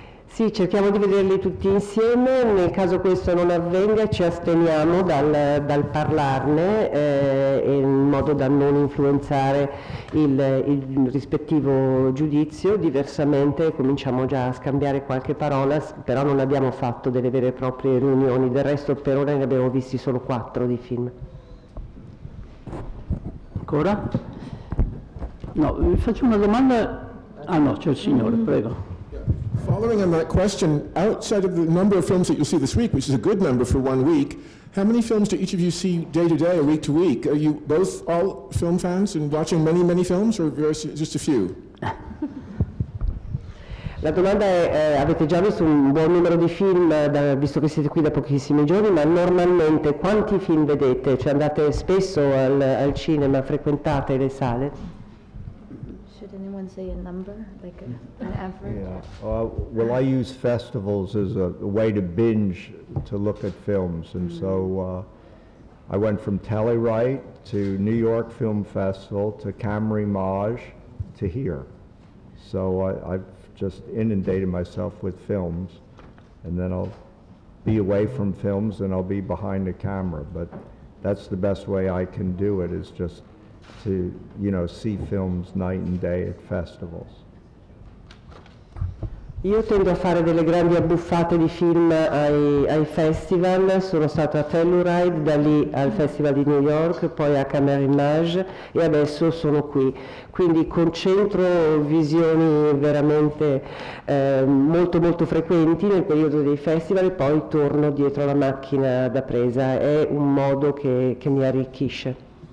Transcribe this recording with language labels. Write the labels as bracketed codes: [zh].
[it] Sì, cerchiamo di vederli tutti insieme, nel caso questo non avvenga ci asteniamo dal, dal parlarne in modo da non influenzare il rispettivo giudizio, diversamente cominciamo già a scambiare qualche parola, però non abbiamo fatto delle vere e proprie riunioni, del resto per ora ne abbiamo visti solo quattro di film. Ancora? No, vi faccio una domanda, ah no, c'è il signore, prego. [en] Following on that question, outside of the number of films that you see this week, which is a good number for one week, how many films do each of you see day to day or week to week? Are you both all film fans and watching many, many films, or just a few? [it] La domanda è, avete già visto un buon numero di film, da, visto che siete qui da pochissimi giorni, ma normalmente quanti film vedete? Cioè andate spesso al, al cinema, frequentate le sale? [en] Say a number, like an average? Yeah. Well, I use festivals as a way to binge, to look at films. And so I went from Telluride to New York Film Festival to Cameron-Mage to here. So I've just inundated myself with films. And then I'll be away from films and I'll be behind the camera. But that's the best way I can do it, is just to, you know, see films night and day at festivals. [it] Io tendo a fare delle grandi abbuffate di film ai, ai festival, sono stato a Telluride, da lì al Festival di New York, poi a Cameron-Mage e adesso sono qui. Quindi concentro visioni veramente molto molto frequenti nel periodo dei festival e poi torno dietro la macchina da presa, è un modo che mi arricchisce.